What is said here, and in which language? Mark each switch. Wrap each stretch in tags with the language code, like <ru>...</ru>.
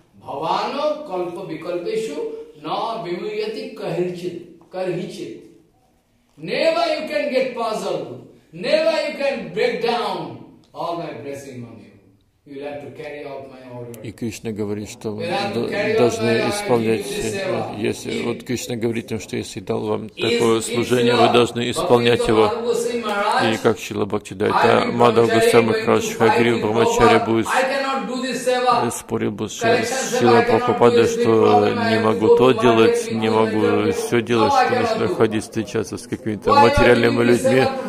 <sa>Бхавана калпа викалпа ишу нам бимуйяти кахинхи.</sa> <en>Never you can get puzzled. Never you can break down all my blessing on you. You have to carry out my order.</en> <ru>И Кришна говорит, что вы должны исполнять, если, вот Кришна говорит им, что если дал вам такое служение, вы должны исполнять его. И как Шрила Бхактивиданта Мадхава Госвами Махарадж Хагрива Брахмачарья будет спорить с Шрила Прабхупадой, что не могу то делать, не могу все делать, что нужно ходить, встречаться с какими-то материальными людьми.</ru>